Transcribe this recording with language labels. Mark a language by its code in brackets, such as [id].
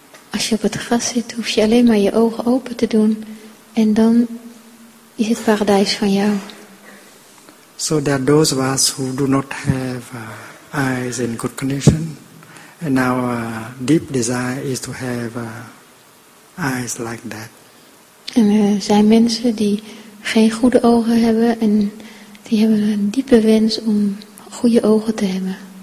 [nl] Als je op het gras zit, hoef je alleen maar je ogen open te doen en dan is het paradijs van jou. [en] So that those of us who do not have eyes in good condition, and our deep desire is to have eyes like that. [nl] En er zijn mensen die geen goede ogen hebben en die hebben een diepe wens om goede ogen te hebben.